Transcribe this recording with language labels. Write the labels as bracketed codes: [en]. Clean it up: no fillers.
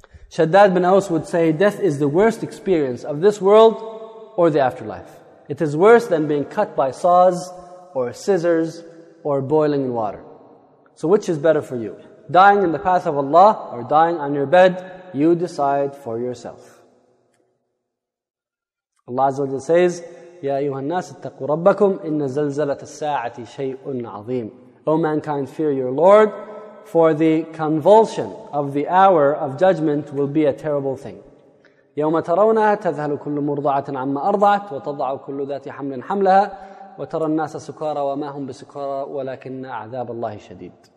[en] Shaddad bin Aus would say, death is the worst experience of this world or the afterlife. It is worse than being cut by saws or scissors or boiling in water. So which is better for you? Dying in the path of Allah or dying on your bed? You decide for yourself. Allah Azza wa Jalla says, [ar] يَا أَيُّهَا النَّاسِ اتَّقُوا رَبَّكُمْ إِنَّ زَلْزَلَةَ السَّاعَةِ شَيْءٌ عَظِيمٌ. [en] O mankind, fear your Lord, for the convulsion of the hour of judgment will be a terrible thing. [ar] يَوْمَ تَرَوْنَهَا تَذْهَلُ كُلُّ مُرْضَعَةٍ عَمَّا أَرْضَعَتْ وَتَضَعُ كُلُّ ذَاتِ حَمْلٍ حَمْلَهَا وَتَرَى النَّاسَ سُكَارَى وَمَا هُمْ بِسُكَارَى وَلَكِنَّ عَذَابَ اللَّهِ شَدِيدٌ.